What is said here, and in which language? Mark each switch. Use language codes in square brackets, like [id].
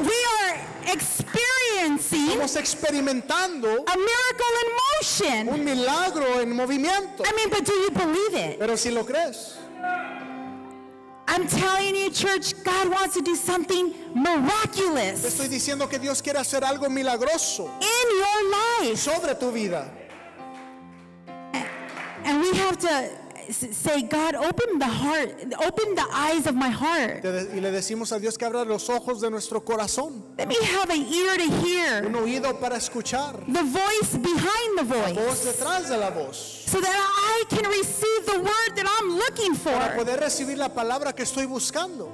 [en] We are experiencing. [es] Estamos experimentando. [en] A miracle in motion. [es] Un milagro en movimiento. [en] I mean, but do you believe it? [es] Pero si lo crees. [en] I'm telling you, church, God wants to do something miraculous. [es] Estoy diciendo que Dios quiere hacer algo milagroso. [en] In your life. [es] Sobre tu vida. [en] And we have to say, God, open the heart, open the eyes of my heart. [es] Y le decimos a Dios que abra los ojos de nuestro corazón. [en] Let me have an ear to hear. [es] Un oído para escuchar. [en] The voice behind the voice. [es] La voz detrás de la voz. [en] So that I can receive the word that I'm looking for. [es] Para poder recibir la palabra que estoy buscando.